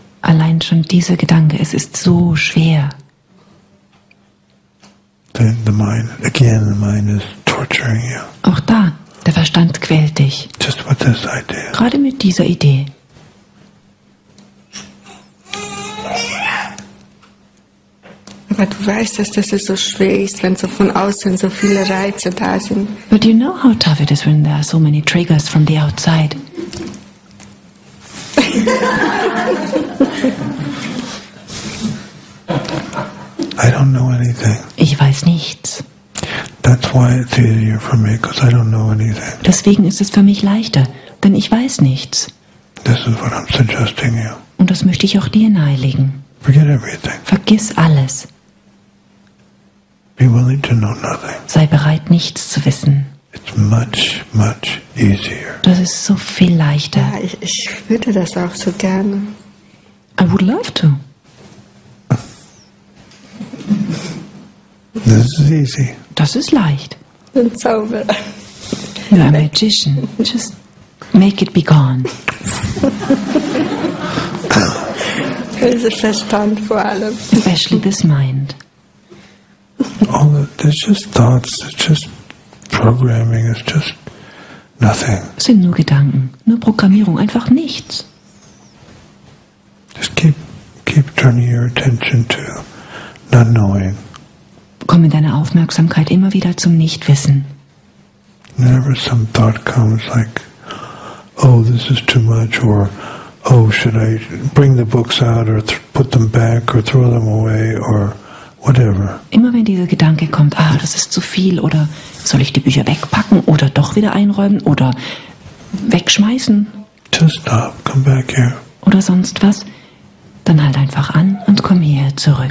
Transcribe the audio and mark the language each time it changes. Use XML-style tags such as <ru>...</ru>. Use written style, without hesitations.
<de>Allein schon dieser Gedanke, es ist so schwer.</de> <en>Then the mind, again, the mind is torturing you.</en> <de>Auch da. Der Verstand quält dich.</de> <en>Just with this idea.</en> <de>Gerade mit dieser Idee. Aber du weißt, dass das so schwer ist, wenn so von außen so viele Reize da sind.</de> <en>But you know how tough it is when there are so many triggers from the outside. I don't know anything.</en> <de>Ich weiß nichts.</de> <en>That's why it's easier for me, because I don't know anything.</en> <de>Deswegen ist es für mich leichter, denn ich weiß nichts.</de> <en>This is what I'm suggesting you.</en> <de>Und das möchte ich auch dir nahelegen.</de> <en>Forget everything.</en> <de>Vergiss alles.</de> <en>Be willing to know nothing.</en> <de>Sei bereit, nichts zu wissen.</de> <en>It's much, much easier.</en> <de>Das ist so viel leichter. Ja, ich würde das auch so gerne.</de> <en>I would love to. This is easy.</en> <de>Das ist leicht. Ein Zauberer.</de> <en>You're a magician. Just make it be gone.</en> <de>Dieser Verstand vor allem.</de> <en>Especially this mind. All there's just thoughts. It's just programming. It's just nothing.</en> <de>Es sind nur Gedanken, nur Programmierung, einfach nichts.</de> <en>Just keep turning your attention to not knowing.</en> <de>Komme deine Aufmerksamkeit immer wieder zum Nichtwissen.</de> <en>Whenever some thought comes like, oh, this is too much, or oh, should I bring the books out or put them back or throw them away or whatever.</en> <de>Immer wenn dieser Gedanke kommt, ah, das ist zu viel, oder soll ich die Bücher wegpacken oder doch wieder einräumen oder wegschmeißen?</de> <en>Just stop, come back here.</en> <de>Oder sonst was. Dann halt einfach an und komm hier zurück.</de>